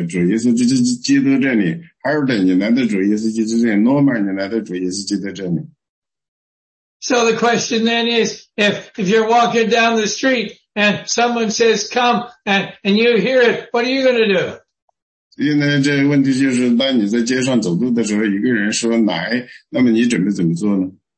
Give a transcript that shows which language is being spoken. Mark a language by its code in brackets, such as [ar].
[zh] 当我们还是个小孩子的时候，我们的妈妈跟我说呢，你们就来到主耶稣基督这里， Harold， 你来到主耶稣基督这里， Norma， 你来到主耶稣基督这里。 [en] So the question then is, if you're walking down the street and someone says come and you hear it, what are you going to do? [zh] 因为这问题就是，当你在街上走路的时候，一个人说来，那么你准备怎么做呢？